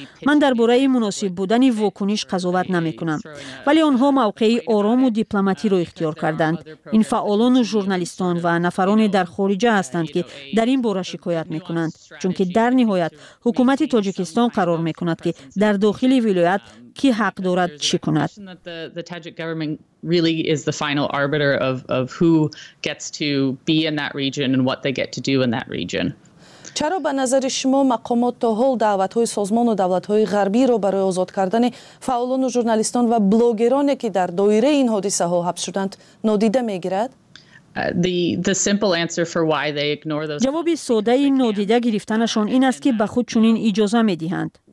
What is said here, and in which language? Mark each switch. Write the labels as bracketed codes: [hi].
[fa] من در باره مناسب بودن واکنش قضاوت نمی کنم، ولی آنها موقعی آرام و دیپلمات رو اختیار کردند. این فعالان و ژورنالیستان و نفران در خارجه هستند که در این باره شکایت میکنند، چون که در نهایت حکومت تاجیکستان قرار میکند که در داخل ولایت کی حق دارد چی کند. [en] Really is the final arbiter of who gets to be in that region and what they get to do in that region. [fa] چرا به نظر شما مقامات تا حال دعوت های سازمان و دولت های غربی را برای آزاد کردن فعالان و ژورنالیستان و بلاگرانی که در دایره این حادثه ها حبس شدند نادیده می گیرد؟ جوابی ساده این نادیده گرفتنشان این است که به خود چنین اجازه می دهند.